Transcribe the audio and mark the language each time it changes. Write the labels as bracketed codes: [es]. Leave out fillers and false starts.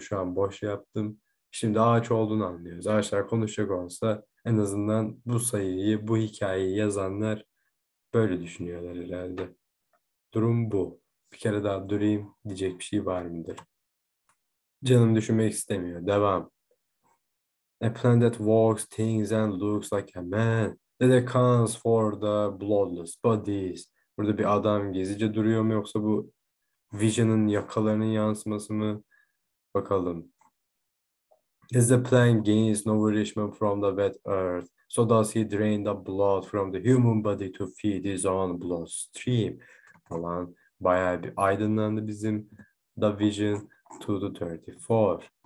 [tr] Şu an boş yaptım. Şimdi ağaç olduğunu anlıyoruz. Ağaçlar konuşacak olsa en azından bu sayıyı, bu hikayeyi yazanlar böyle düşünüyorlar herhalde. Durum bu. Bir kere daha durayım diyecek bir şey var mıdır? Canım düşünmek istemiyor. Devam. [en] A plant that walks, thinks and looks like a man. That accounts for the bloodless bodies. [tr] Burada bir adam gizlice duruyor mu yoksa bu vision'ın yakalarının yansıması mı? Bakalım. [en] As the plant gains nourishment from the wet earth, so does he drain the blood from the human body to feed his own bloodstream. [tr] Falan bayağı bir aydınlandı bizim the vision 2-34.